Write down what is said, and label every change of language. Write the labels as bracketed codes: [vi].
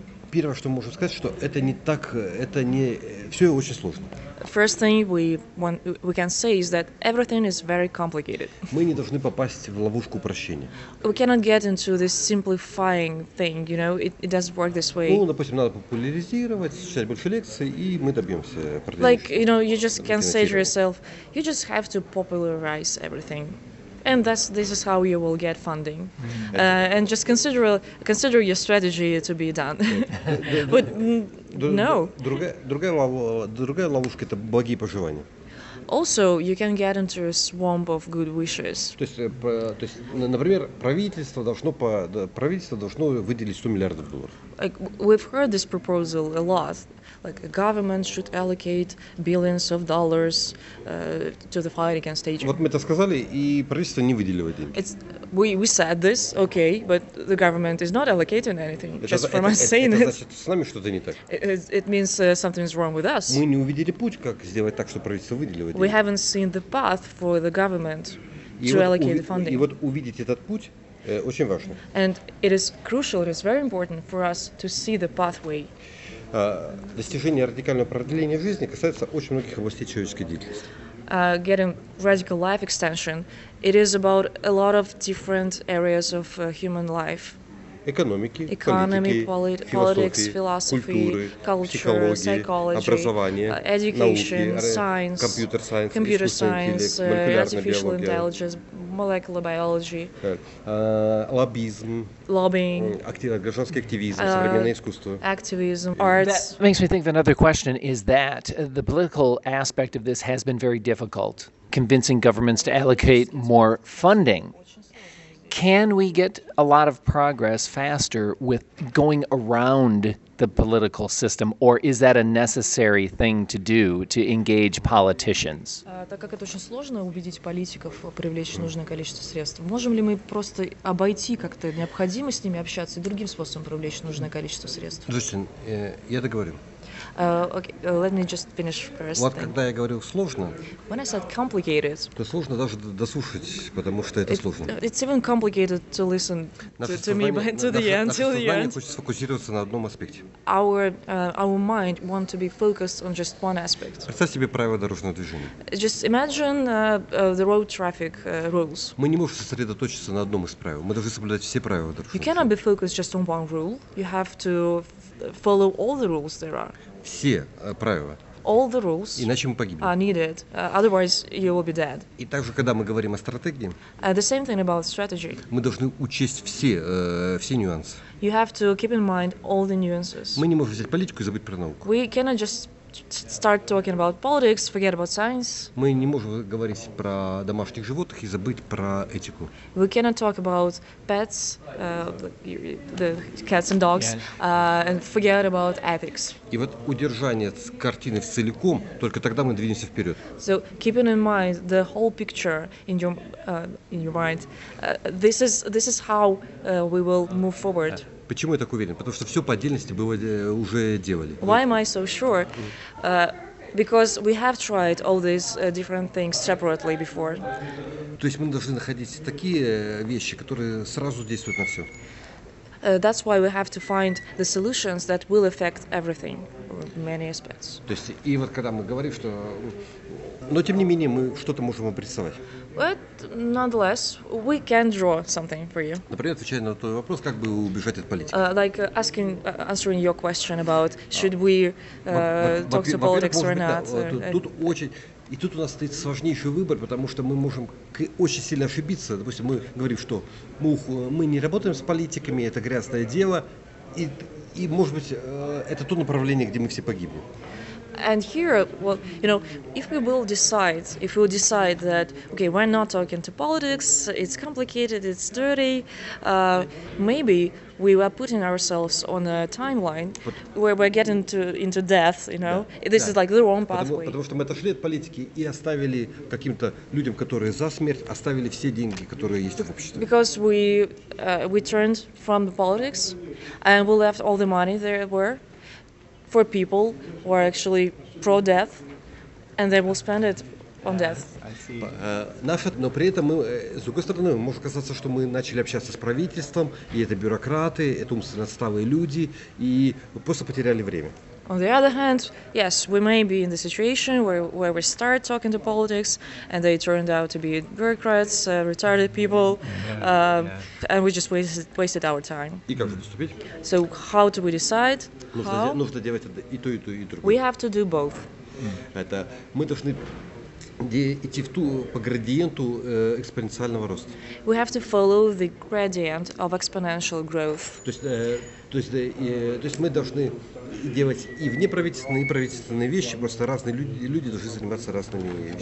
[ru] Первое, что можно сказать, что это не так, это не все очень сложно. [en] First thing we can say is that everything is very complicated. [ru] Мы не должны попасть в ловушку упрощения. [en] We cannot get into this simplifying thing, you know, it doesn't work this way. [ru] Ну, допустим, надо популяризировать, читать больше лекций, и мы добьемся продвижения. [en] Like, you know, you just can say to yourself, you just have to popularize everything. And this is how you will get funding. And just consider your strategy to be done. But no. [ru] Другая ловушка – это благие пожелания. [en] Also, you can get into a swamp of good wishes. [ru] То есть, например, правительство должно выделить 100 миллиардов долларов. [en] Like, we've heard this proposal a lot. Like, a government should allocate billions of dollars to the fight against aging. [ru] Вот мы это сказали, и правительство не выделивает деньги. [en] We said this, okay, but the government is not allocating anything. [ru] Это с нами что-то не так. [en] It means something is wrong with us. [ru] Мы не увидели путь, как сделать так, чтобы правительство выделило деньги. [en] We haven't seen the path for the government to allocate the funding. [ru] И вот увидеть этот путь очень важно. [en] And it is crucial, it is very important for us to see the pathway. [ru] Достижение радикального продления жизни касается очень многих областей человеческой деятельности. [en] Getting radical life extension, it is about a lot of different areas of human life. [ru] Экономики, [en] economy, [ru] политики, [en] politics, [ru] философии, культуры, [en] psychology, [ru] образование, [en] education, [ru] науки, [en] science, computer science, computer science, artificial [ru] биология, [en] intelligence, molecular biology, [ru] лоббизм, [en] lobbying, [ru] гражданский активизм, современное искусство, [en] activism, arts. That makes me think of another question, is that the political aspect of this has been very difficult, convincing governments to allocate more funding. Can we get a lot of progress faster with going around the political system, or is that a necessary thing to do to engage politicians? [ru] Так как это очень сложно убедить политиков привлечь нужное количество средств, можем ли мы просто обойти как-то необходимо с ними общаться и другим способом привлечь нужное количество средств? Джустин, я договорю. [en] Okay, let me just finish first. [ru] Вот когда я говорил сложно. [en] When I said complicated. [ru] То сложно даже дослушать, потому что это сложно. [en] It's even complicated to listen to me by to the end till the end. [ru] Наше сознание хочет сфокусироваться на одном аспекте. [en] Our mind want to be focused on just one aspect. [ru] Представь себе правила дорожного движения. [en] Just imagine the road traffic rules. [ru] Мы не можем сосредоточиться на одном из правил. Мы должны соблюдать все правила дорожного движения. [en] You cannot be focused just on one rule. You have to follow all the rules there are. [ru] Все правила. [en] All the rules. [ru] Иначе мы погибнем. [en] Are needed. Otherwise you will be dead. [ru] И также, когда мы говорим о стратегии. [en] The same thing about strategy. [ru] Мы должны учесть все нюансы. [en] You have to keep in mind all the nuances. [ru] Мы не можем взять политику и забыть про науку. [en] We cannot just start talking about politics, forget about science. [ru] Мы не можем говорить про домашних животных и забыть про этику. [en] We cannot talk about pets, the cats and dogs, and forget about ethics. [ru] И вот удержание картины целиком, только тогда мы двинемся вперед. [en] So keeping in mind the whole picture in your mind, this is how we will move forward. [ru] Почему я так уверен? Потому что все по отдельности было уже делали. [en] Why am I so sure? Because we have tried all these different things separately before. [ru] То есть мы должны находить такие вещи, которые сразу действуют на все. [en] That's why we have to find the solutions that will affect everything, many aspects. [ru] То есть и вот когда мы говорим, что Но тем не менее мы что-то можем обрисовать. [en] But nonetheless, we can draw something for you. [ru] Например, отвечая на твой вопрос, как бы убежать от политики. [en] Like asking, answering your question about should we talk to politics or not. [ru] Тут очень и тут у нас стоит сложнейший выбор, потому что мы можем очень сильно ошибиться. Допустим, мы говорим, что мы не работаем с политиками, это грязное дело, и может быть это то направление, где мы все погибли. [en] And here, well, you know, if we decide that, okay, we're not talking to politics, it's complicated, it's dirty, maybe we are putting ourselves on a timeline where we're getting into death, you know. Yeah. This is like the wrong pathway. [ru] Потому что мы отошли от политики и оставили каким-то людям, которые за смерть, оставили все деньги, которые есть в обществе. [en] Because we turned from the politics and we left all the money there were. For people who are actually pro-death, and they will spend it on death. [ru] Но при этом мы, с другой стороны, может казаться, что мы начали общаться с правительством, и это бюрократы, это умственно отсталые люди, и просто потеряли время. [en] On the other hand, yes, we may be in the situation where we start talking to politics, and they turned out to be bureaucrats, retarded people, and we just wasted our time. [ru] И как же поступить? [en] So how do we decide? [ru] Нужно делать и то, и то, и другое. [en] We have to do both. [ru] Это мы должны идти в ту по градиенту экспоненциального роста. [en] We have to follow the gradient of exponential growth. [ru] То есть мы должны делать и внеправительственные, и правительственные вещи, просто разные люди должны заниматься разными вещами.